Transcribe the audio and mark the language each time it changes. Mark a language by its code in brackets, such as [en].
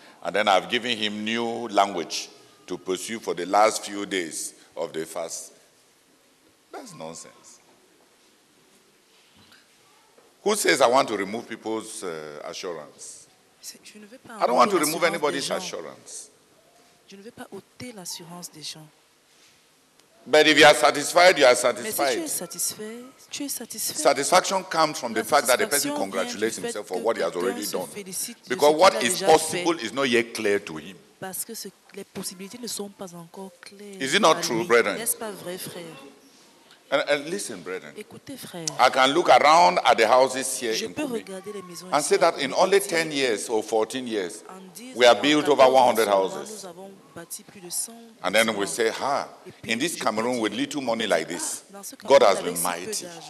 [en] And then I've given him new language to pursue for the last few days of the fast. That's nonsense. Who says I want to remove people's assurance? I don't want to remove anybody's assurance. [fr] Je ne veux pas ôter l'assurance des gens. [en] But if you are satisfied, you are satisfied. [fr] Mais si tu es satisfait. [en] Satisfaction comes from the fact that the person congratulates himself for what he has already done. Because what is possible is not yet clear to him. [fr] Parce que les possibilités ne sont pas encore claires. [en] Is it not true, brethren? [fr] N'est-ce pas vrai, frère? [en] And listen, brethren. [fr] Écoutez, frère. [en] I can look around at the houses here [fr] je [en] in [fr] peux regarder les maisons [en] and say that in only 10 years or 14 years, we have built over 100 houses. [fr] Nous avons bâti plus de 100 [en] and then we say, ha, ah, in this Cameroon with little money like this, God has been mighty.